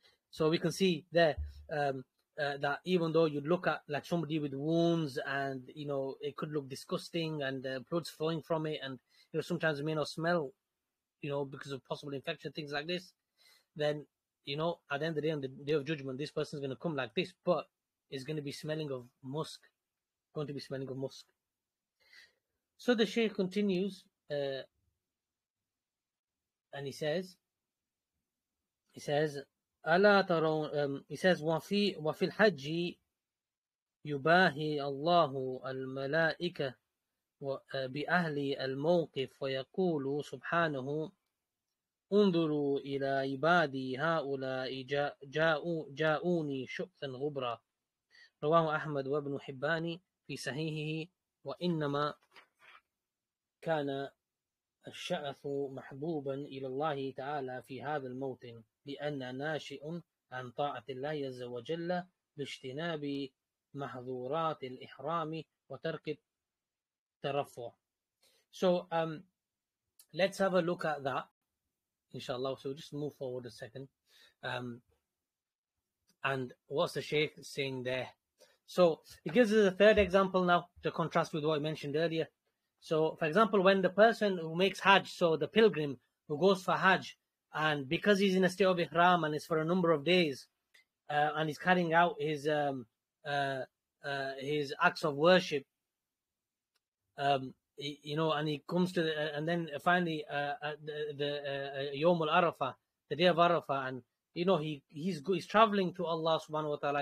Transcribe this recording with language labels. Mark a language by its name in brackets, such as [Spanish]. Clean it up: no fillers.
[English] So we can see there that even though you'd look at like somebody with wounds, and you know, it could look disgusting, and the blood's flowing from it, and you know, sometimes it may not smell, you know, because of possible infection, things like this, then you know, at the end of the day, on the day of judgment, this person's going to come like this, but it's going to be smelling of musk, going to be smelling of musk. So the Shaykh continues, and he says, [Arabic] أَلَا تَرَوْنَ وَفِي الْحَجِّ يُبَاهِي اللَّهُ الْمَلَائِكَةَ بِأَهْلِ الْمَوْقِفِ وَيَقُولُ سُبْحَانَهُ انظروا إلى عبادي هؤلاء جاءوني شؤثا غبرا. رواه أحمد وابن حبان في صحيحه. وإنما كان الشأث محبوبا إلى الله تعالى في هذا الموطن لأن ناشئ عن طاعة الله عز وجل باجتناب محظورات الإحرام وترك الترفع. [English] So let's have a look at that, inshallah. So we'll just move forward a second. And what's the Shaykh saying there? So it gives us a third example now to contrast with what I mentioned earlier. So for example, when the person who makes Hajj, so the pilgrim who goes for Hajj, and because he's in a state of ihram and it's for a number of days, and he's carrying out his acts of worship, you know, and he comes to the, and then finally the Yawm al-Arafah, the day of Arafah, and you know, he's traveling to Allah subhanahu wa ta'ala.